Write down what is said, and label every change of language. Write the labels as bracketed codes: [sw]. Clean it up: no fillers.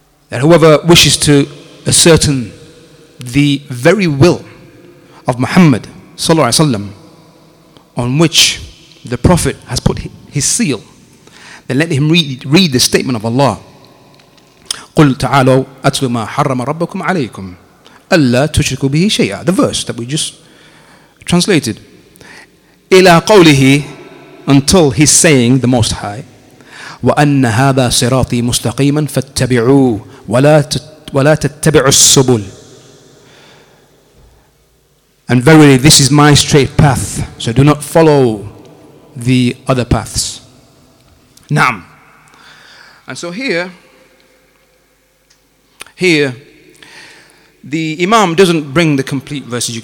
[en] That whoever wishes to ascertain the very will of Muhammad sallallahu alaihi wasallam, on which the Prophet has put his seal, then let him read the statement of Allah [ar] قل تعالوا أتلو ما حرم ربكم عليكم ألا تشركوا به شيئا. [en] The verse that we just translated. [ar] إلى قوله, [en] until he's saying the Most High, [ar] وأن هذا صراطي مستقيما فاتبعوه ولا تتبعوا السبل. [en] And verily this is my straight path, so do not follow the other paths. [ar] نعم. [en] And so here the Imam doesn't bring the complete verses.